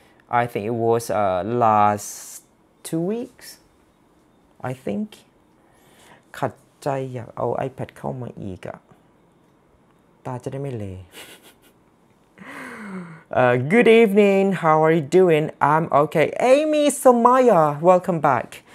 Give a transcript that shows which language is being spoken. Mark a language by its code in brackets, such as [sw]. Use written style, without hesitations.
[en] I think it was last 2 weeks, I think. [th] ขัดใจอยากเอา iPad เข้ามาอีกอ่ะตาจะได้ไม่เละ [en] good evening, how are you doing? I'm okay. Amy Somaya, welcome back.